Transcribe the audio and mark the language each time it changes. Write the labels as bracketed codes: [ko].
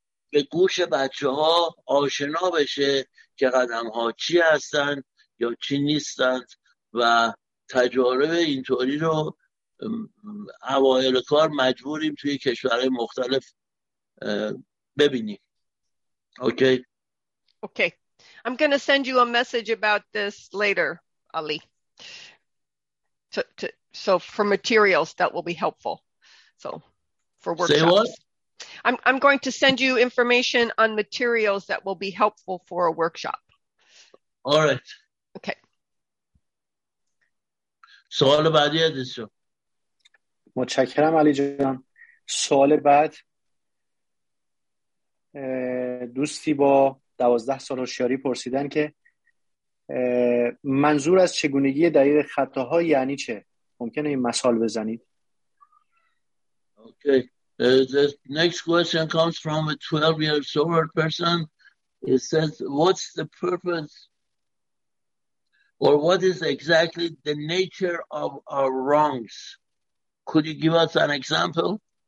[fa] به گوش بچه‌ها آشنا بشه که قدم‌ها چی هستن یا چی نیستند و تجارب اینطوری رو اوایل کار مجبوریم توی کشورهای مختلف ببینیم. اوکی؟ [en] Okay, I'm going to send you a message about this later, Ali, so for materials that will be helpful, so for workshops. Say what? I'm going to send you information on materials that will be helpful for a workshop. All right. Okay. [fa] سوال بعدی هست. متشکرم علی جان. سوال بعد دوستی با 12 سال هوشیاری پرسیدن که منظور از چگونگی دقیق خطاها یعنی چه؟ ممکنه این مثال بزنید؟ [en] Okay. The next question comes from a 12-year-old person. It says, what's the purpose or what is exactly the nature of our wrongs? Could you give us an example?